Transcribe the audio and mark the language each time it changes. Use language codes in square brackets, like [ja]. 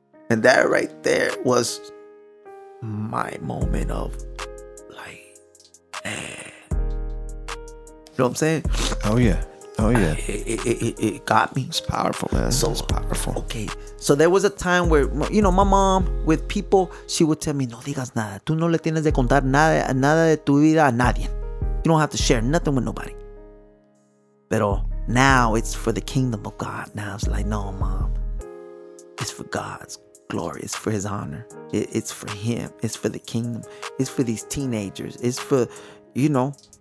[en] And that right there was my moment of like, you know what I'm saying? Oh yeah. Oh yeah, it got me. It's powerful, man. So it's powerful. Okay, so there was a time where, you know, my mom with people, she would tell me, [es] "No digas nada. Tú no le tienes de contar nada de tu vida a nadie. [en] You don't have to share nothing with nobody." [es] Pero [en] now it's for the kingdom of God. Now it's like, no, mom, it's for God's glory. It's for His honor. It's for Him. It's for the kingdom. It's for these teenagers. It's for, you know.